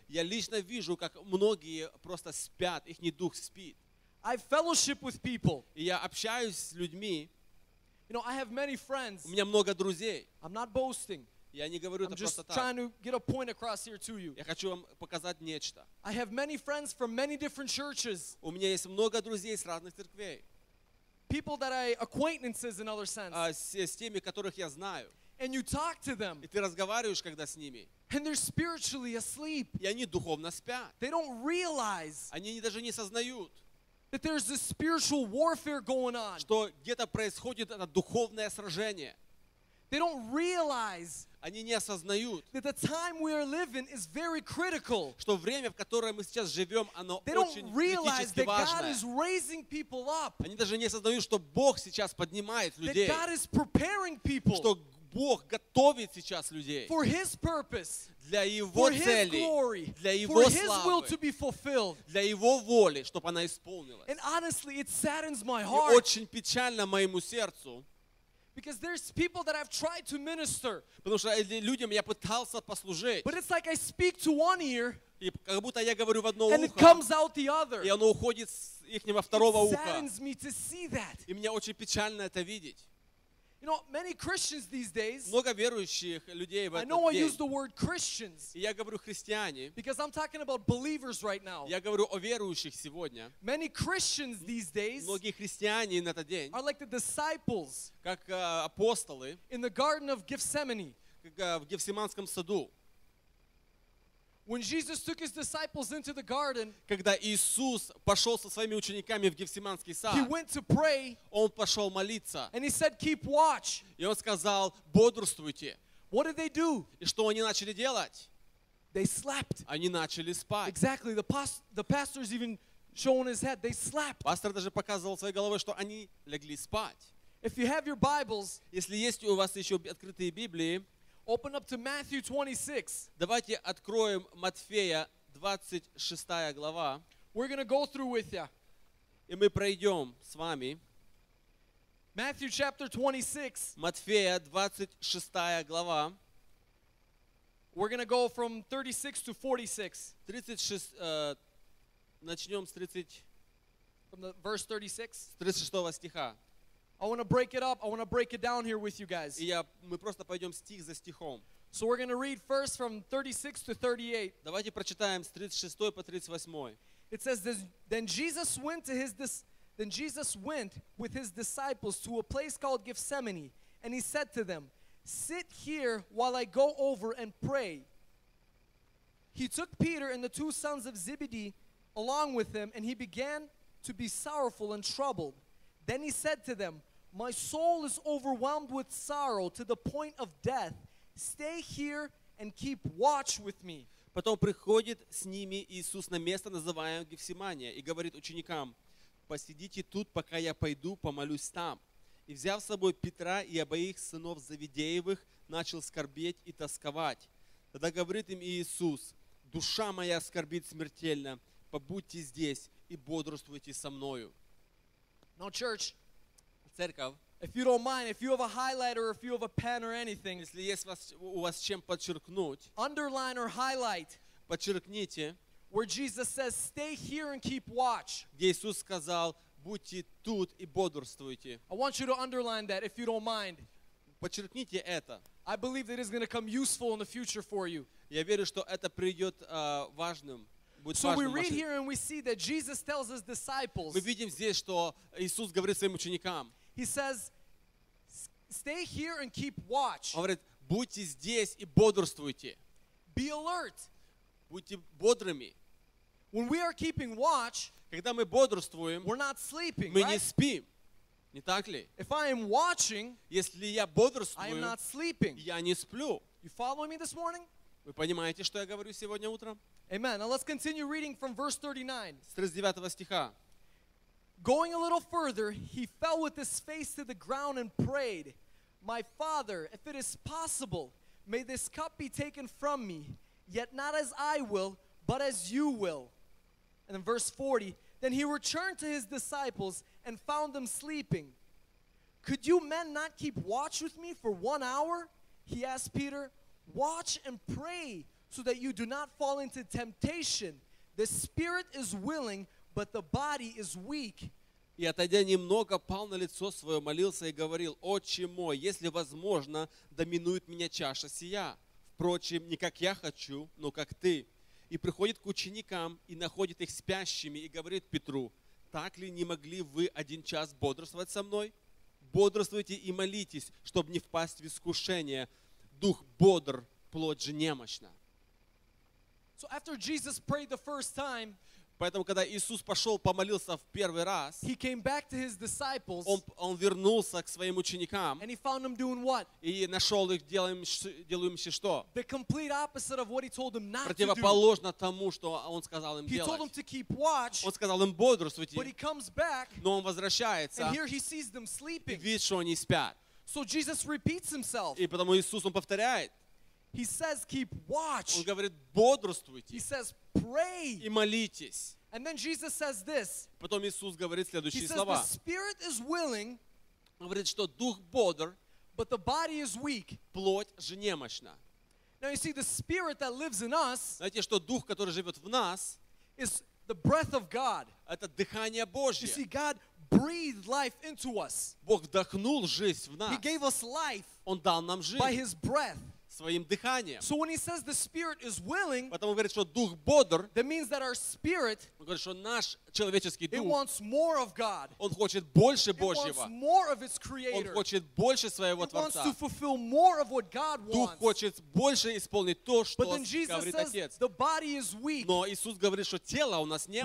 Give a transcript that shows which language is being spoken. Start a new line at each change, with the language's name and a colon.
Russian: Я лично вижу, как многие просто спят, их не дух спит.
English: I fellowship with people.
Russian: Я общаюсь с людьми.
English: You know, I have many friends.
Russian: У меня много друзей.
English: I'm not boasting.
Russian: Я не говорю это просто так.
English: I'm just trying to get a point across here to you.
Russian: Я хочу вам показать нечто.
English: I have many friends from many different churches.
Russian: У меня есть много друзей с разных церквей.
English: People that I acquaintances in other sense.
Russian: С теми, которых я знаю.
English: And you talk to them.
Russian: И ты разговариваешь когда с ними.
English: And they're spiritually asleep.
Russian: И они духовно спят.
English: They don't realize.
Russian: Они даже не сознают.
English: That there's this spiritual warfare going on.
Russian: Что где-то происходит это духовное сражение.
English: They don't realize.
Russian: Они не осознают.
English: That the time we are living is very critical.
Russian: Что время в котором мы сейчас живем оно очень критически важное.
English: They don't realize that God is raising people up.
Russian: Они даже не осознают что Бог сейчас поднимает людей.
English: That God is preparing people.
Russian: Что Бог готовит сейчас людей
English: for his purpose,
Russian: для Его
English: for his
Russian: цели,
English: glory,
Russian: для Его
English: for his
Russian: славы,
English: will to be fulfilled.
Russian: Для Его воли, чтобы она исполнилась.
English: And honestly, it saddens my heart,
Russian: и очень печально моему сердцу,
English: because there's people that I've tried to minister,
Russian: потому что людям я пытался послужить,
English: but it's like I speak to one ear,
Russian: и как будто я говорю в одно
English: and it comes out the other.
Russian: И оно уходит с ихнего второго
English: it saddens
Russian: уха.
English: Me to see that.
Russian: И мне очень печально это видеть.
English: You know, many Christians these days.
Russian: Много верующих людей в этот день.
English: I know I use the word Christians.
Russian: Я говорю христиане.
English: Because I'm talking about believers right now.
Russian: Я говорю о верующих сегодня.
English: Many Christians these days.
Russian: Многие христиане на этот день.
English: Are like the disciples.
Russian: Как апостолы.
English: In the Garden of Gethsemane.
Russian: Как в Гефсиманском саду.
English: When Jesus took his disciples into the garden,
Russian: когда Иисус пошел со своими учениками в Гефсиманский сад,
English: he went to pray,
Russian: он пошел молиться,
English: and he said, "Keep watch."
Russian: И он сказал, бодрствуйте.
English: What did they do?
Russian: И что они начали делать?
English: They slept.
Russian: Они начали спать.
English: Exactly. The pastor's even showing his head. They slept.
Russian: Пастор даже показывал своей головой, что они легли спать.
English: If you have your Bibles,
Russian: если есть у вас еще открытые Библии.
English: Open up to Matthew 26.
Russian: Давайте откроем Матфея 26 глава.
English: We're going to go through with you.
Russian: И мы пройдем с вами.
English: Matthew chapter 26.
Russian: Матфея 26 глава.
English: We're going to go from 36 to 46.
Russian: 36, начнем с 30.
English: From the verse 36.
Russian: С 36 стиха.
English: I want to break it up. I want to break it down here with you guys.
Russian: Мы просто пойдем стих за стихом.
English: So we're going to read first from 36 to 38.
Russian: Давайте прочитаем с 36 по 38.
English: It says, Then Jesus went with his disciples to a place called Gethsemane, and he said to them, "Sit here while I go over and pray." He took Peter and the two sons of Zebedee along with him, and he began to be sorrowful and troubled. Then he said to them, "My soul is overwhelmed with sorrow to the point of death. Stay here and keep watch with me."
Russian: Потом приходит с ними Иисус на место, называемое Гефсимания, и говорит ученикам: "Посидите тут, пока я пойду помолюсь там." И взяв с собой Петра и обоих сынов Завидеевых, начал скорбеть и тосковать. Тогда говорит им Иисус: "Душа моя скорбит смертельно. Побудьте здесь и бодрствуйте со мною."
English: Now, church,
Russian: церковь,
English: if you don't mind, if you have a highlighter or if you have a pen or anything,
Russian: если есть у вас чем подчеркнуть,
English: underline or highlight,
Russian: подчеркните,
English: where Jesus says, "Stay here and keep watch."
Russian: Где Иисус сказал: "Будьте тут и бодрствуйте."
English: I want you to underline that, if you don't mind.
Russian: Подчеркните это.
English: I believe that it is going to come useful in the future for you.
Russian: Я верю, что это придет важным.
English: So we read here and we see that Jesus tells his disciples.
Russian: Мы видим здесь, что Иисус говорит своим ученикам.
English: He says, "Stay here and keep watch."
Russian: Он говорит: "Будьте здесь и бодрствуйте."
English: Be alert.
Russian: Будьте бодрыми.
English: When we are keeping watch,
Russian: когда мы бодрствуем,
English: we're not sleeping,
Russian: мы
English: right?
Russian: не спим. Не так ли?
English: If I am watching,
Russian: если я бодрствую,
English: I am not sleeping.
Russian: Я не сплю.
English: You following me this morning?
Russian: Вы понимаете, что я говорю сегодня утром?
English: Amen. Now let's continue reading from verse 39.
Russian: С 39 стиха.
English: Going a little further, he fell with his face to the ground and prayed, "My Father, if it is possible, may this cup be taken from me, yet not as I will, but as you will." And in verse 40, then he returned to his disciples and found them sleeping. "Could you men not keep watch with me for 1 hour?" He asked Peter, "Watch and pray so that you do not fall into temptation. The spirit is willing, but the body is weak."
Russian: И отойдя немного, пал на лицо свое, молился и говорил: "Отче мой, если возможно, да минует меня чаша сия. Впрочем, не как я хочу, но как ты." И приходит к ученикам и находит их спящими и говорит Петру: "Так ли не могли вы один час бодрствовать со мной? Бодрствуйте и молитесь, чтобы не впасть в искушение. Дух бодр, плоть же немощна."
English: So after Jesus prayed the first time,
Russian: поэтому когда Иисус пошел помолился в первый раз,
English: he came back to his disciples,
Russian: он вернулся к своим ученикам,
English: and he found them doing what?
Russian: И нашел их делающими что?
English: The complete opposite of what he told them not to do.
Russian: Противоположно тому, что он сказал им
English: he
Russian: делать.
English: He told them to keep watch.
Russian: Он сказал им бодрствуйте.
English: But he comes back,
Russian: но он возвращается,
English: and here he sees them sleeping.
Russian: И видит, что они спят.
English: So Jesus repeats himself.
Russian: И потому Иисус он повторяет.
English: He says, "Keep watch."
Russian: Он говорит: "Бодрствуйте."
English: He says, "Pray."
Russian: И молитесь.
English: And then Jesus says this.
Russian: Потом Иисус говорит следующие
English: He says,
Russian: слова.
English: The spirit is willing.
Russian: Он говорит, что дух бодр.
English: But the body is weak.
Russian: Плоть же немощна.
English: Now you see, the spirit that lives in us.
Russian: Знаете, что дух, который живет в нас,
English: is the breath of God.
Russian: Это дыхание Божье.
English: You see, God breathed life into us.
Russian: Бог вдохнул жизнь в нас.
English: He gave us life.
Russian: Он дал нам жизнь.
English: By His breath.
Russian: Своим дыханием.
English: So when he says the spirit is willing,
Russian: потому говорит, что дух бодр,
English: that means that our spirit,
Russian: он говорит, что наш человеческий дух,
English: it wants more of God.
Russian: Он хочет больше Божьего.
English: It wants more of its creator.
Russian: Он хочет больше своего
English: it
Russian: Творца.
English: Wants to fulfill more of what God wants.
Russian: Дух хочет больше исполнить то, что
English: But then Jesus
Russian: говорит
English: says,
Russian: Отец.
English: The body is weak.
Russian: Но Иисус говорит, что тело у нас немощное.